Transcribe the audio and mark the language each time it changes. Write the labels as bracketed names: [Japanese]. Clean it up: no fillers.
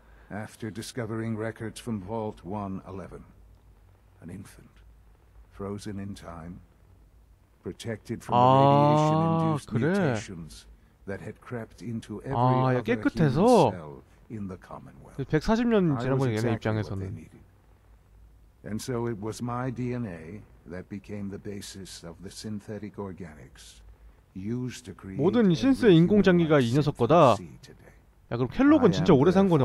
[English] After discovering records from Vault 111, an infant frozen in time, protected from radiation-induced mutations that had crept into every other human cell in the Commonwealth. [Korean] 140년 지난 거 얘네 입장에서는. [English] And so it was my DNA that became the basis of the synthetic organics. [Korean] 모든 신스의 인공장기가 이 녀석 거다. 야, 그럼 켈록은 진짜 오래 산 거네.